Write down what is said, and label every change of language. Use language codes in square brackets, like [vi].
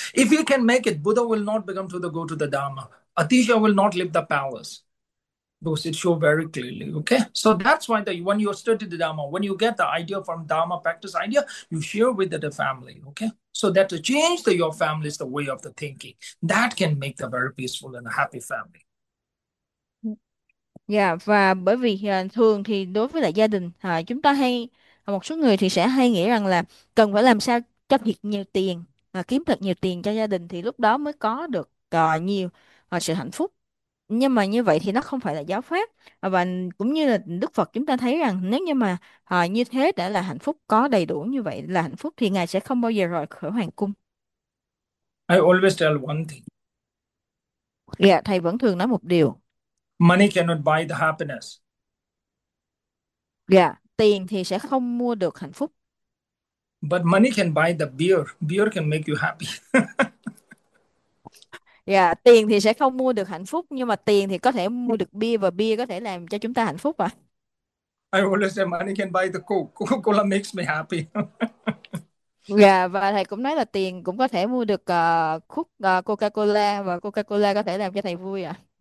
[en] If you can make it, Buddha will not become to the go to the Dharma. Atisha will not leave the palace. Because it show very clearly. Okay. So that's why the when you study the Dharma, when you get the idea from Dharma practice idea, you share with the family. Okay. So that to change the your family is the way of the thinking. That can make the very peaceful and a happy family. [vi] Và bởi vì thường thì đối với lại gia đình, chúng ta hay một số người thì sẽ hay nghĩ rằng là cần phải làm sao cho thiệt nhiều tiền, kiếm thật nhiều tiền cho gia đình thì lúc đó mới có được nhiều sự hạnh phúc. Nhưng mà như vậy thì nó không phải là giáo pháp, và cũng như là Đức Phật chúng ta thấy rằng nếu như mà như thế đã là hạnh phúc, có đầy đủ như vậy là hạnh phúc thì Ngài sẽ không bao giờ rời khỏi hoàng cung. [en] I always tell one thing. [vi] Thầy vẫn thường nói một điều. [en] Money cannot buy the happiness. [vi] Tiền thì sẽ không mua được hạnh phúc. [en] But money can buy the beer. Beer can make you happy. [vi] Tiền thì sẽ không mua được hạnh phúc, nhưng mà tiền thì có thể mua được bia, và bia có thể làm cho chúng ta hạnh phúc à? [en] I always say money can buy the Coke. Coca-Cola makes me happy. [vi] Và thầy cũng nói là tiền cũng có thể mua được khúc Coca-Cola, và Coca-Cola có thể làm cho thầy vui à?